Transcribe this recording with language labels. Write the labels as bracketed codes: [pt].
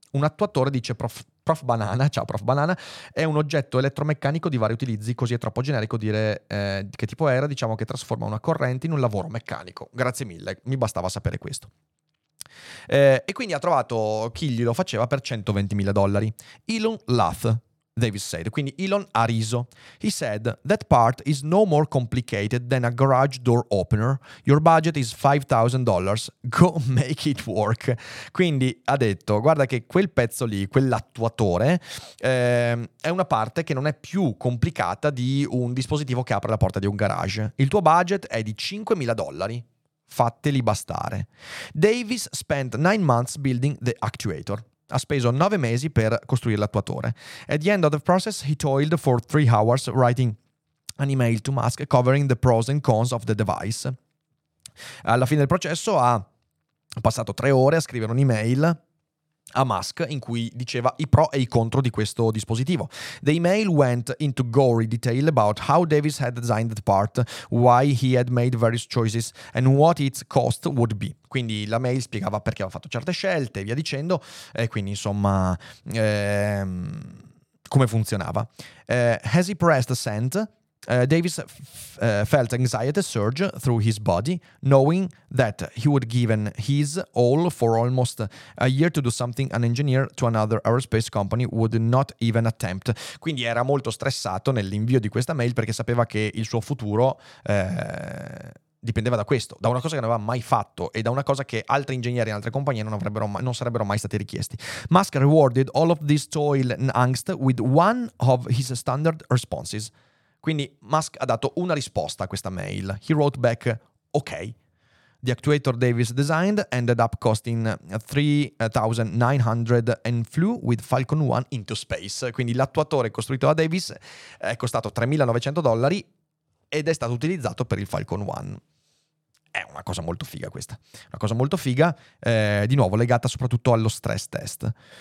[it] Un attuatore, dice Prof Banana, ciao Prof Banana, è un oggetto elettromeccanico di vari utilizzi, così è troppo generico dire che tipo era, diciamo che trasforma una corrente in un lavoro meccanico. Grazie mille, mi bastava sapere questo. E quindi ha trovato chi glielo faceva per $120,000. [en] Elon Lath, Davis said. Quindi Elon ha riso. He said, that part is no more complicated than a garage door opener. Your budget is $5,000. Go make it work. [it] Quindi ha detto, guarda che quel pezzo lì, quell'attuatore, è una parte che non è più complicata di un dispositivo che apre la porta di un garage. Il tuo budget è di $5,000. Fateli bastare. [en] Davis spent 9 months building the actuator. [it] Ha speso 9 mesi per costruire l'attuatore. [en] At the end of the process, he toiled for 3 hours writing an email to Musk covering the pros and cons of the device. [it] Alla fine del processo ha passato 3 ore a scrivere un'email a Musk in cui diceva i pro e i contro di questo dispositivo. [en] The email went into gory detail about how Davis had designed the part, why he had made various choices and what its cost would be. [it] Quindi la mail spiegava perché aveva fatto certe scelte e via dicendo, e quindi insomma come funzionava. [en] Has he pressed send? Davis felt anxiety surge through his body, knowing that he would given his all for almost a year to do something an engineer to another aerospace company would not even attempt. [it] Quindi era molto stressato nell'invio di questa mail perché sapeva che il suo futuro dipendeva da questo, da una cosa che non aveva mai fatto e da una cosa che altri ingegneri e altre compagnie non sarebbero mai stati richiesti. [en] Musk rewarded all of this toil and angst with one of his standard responses. [it] Quindi Musk ha dato una risposta a questa mail. [en] He wrote back, ok. The actuator Davis designed ended up costing 3,900 and flew with Falcon 1 into space. [it] Quindi l'attuatore costruito da Davis è costato $3,900 ed è stato utilizzato per il Falcon 1. È una cosa molto figa questa. Una cosa molto figa, di nuovo legata soprattutto allo stress test.